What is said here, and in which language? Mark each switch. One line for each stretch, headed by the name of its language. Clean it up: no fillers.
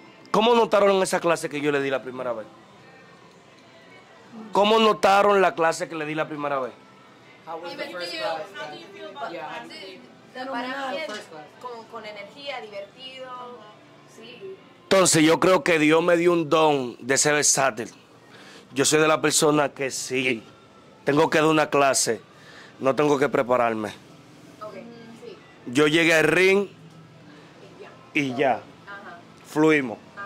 Spanish: ¿Cómo notaron en esa clase que yo le di la primera vez? ¿Cómo notaron la clase que le di la primera vez?
English: How was the first class? How do you feel about the class? Yeah,
Spanish: para mí es con energía, divertido. Sí. Entonces yo creo que Dios me dio un don de ser versátil. Yo soy de la persona que sí, tengo que dar una clase, no tengo que prepararme. Yo llegué al ring y ya, fluimos.